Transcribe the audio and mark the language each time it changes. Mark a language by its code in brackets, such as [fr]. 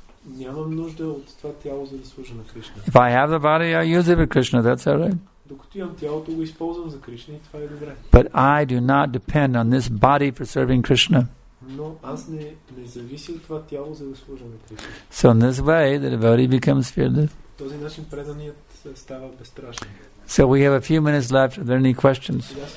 [bg] Нямам нужда от това тяло, за да служа на Кришна. [en] If I have the body, I use it for Krishna, that's all right. [bg] Докато имам тялото, го използвам за Кришна и това е добре. [en] But I do not depend on this body for serving Krishna. [bg] Но аз не зависим от това тяло, за да служа на Кришна. [en] So in this way, the devotee becomes fearless. [bg] Този начин преданият става безстрашен. [en] So we have a few minutes left. Are there any questions?